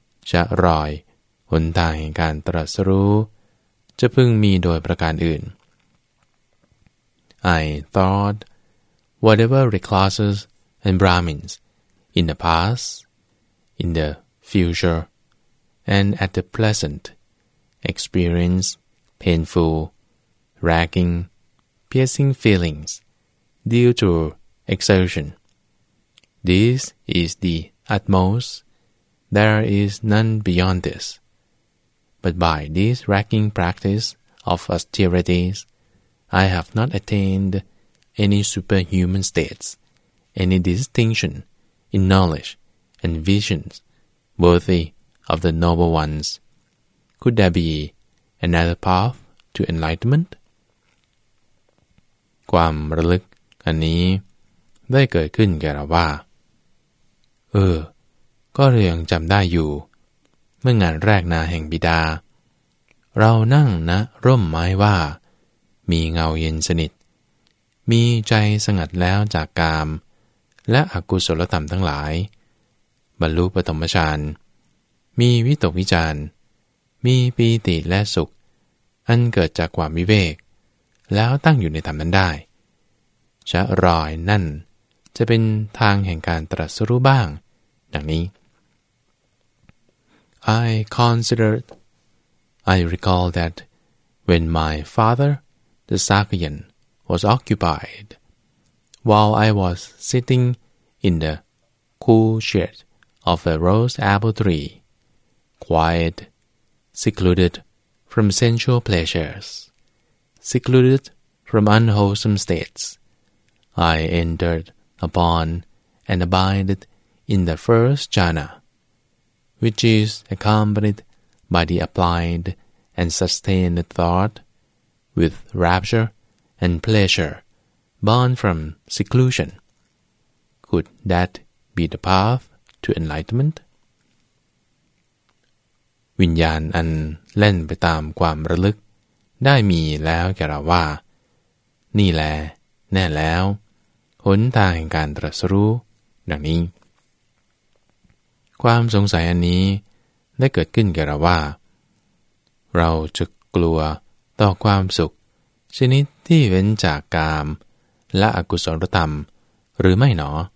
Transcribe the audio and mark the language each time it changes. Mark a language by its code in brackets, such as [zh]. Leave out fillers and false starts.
[th] จะรอยหนทางแห่งการตรัสรู้จะพึงมีโดยประการอื่น [en] I thought whatever reclasses and Brahmins in the past, in the future, and at the present experience painful, racking, piercing feelings due to exertion. This is the utmost. There is none beyond this. But by this racking practice of austerities, I have not attained any superhuman states, any distinction in knowledge and visions worthy of the noble ones. Could there be another path to enlightenment? [th] ความระลึกอันนี้ได้เกิดขึ้นแก่เราว่าก็เรายังจำได้อยู่เมื่องานแรกนาแห่งบิดา เรานั่งณร่มไม้ว่ามีเงาเย็นสนิทมีใจสงัดแล้วจากกามและอกุศลธรรมทั้งหลายบรรลุปฐมฌานมีวิตกวิจารมีปีติและสุขอันเกิดจากความวิเวกแล้วตั้งอยู่ในธรรมนั้นได้จะรอยนั่นจะเป็นทางแห่งการตรัสรู้บ้างดังนี้ [en] I recall that when my fatherThe Sakyan was occupied while I was sitting in the cool shade of a rose apple tree, quiet, secluded from sensual pleasures, secluded from unwholesome states. I entered upon and abided in the first jhana, which is accompanied by the applied and sustained thoughtwith rapture and pleasure, born from seclusion. Could that be the path to enlightenment? [th] วิญญาณอันเล่นไปตามความระลึกได้มีแล้วแก่เราว่านี่แลแน่แล้วหนทางแห่งการตรัสรู้ดังนี้ความสงสัยอันนี้ได้เกิดขึ้นแก่เราว่าเราจะกลัวต่อความสุขชนิดที่เว้นจากกามและอกุศลธรรมหรือไม่หนอ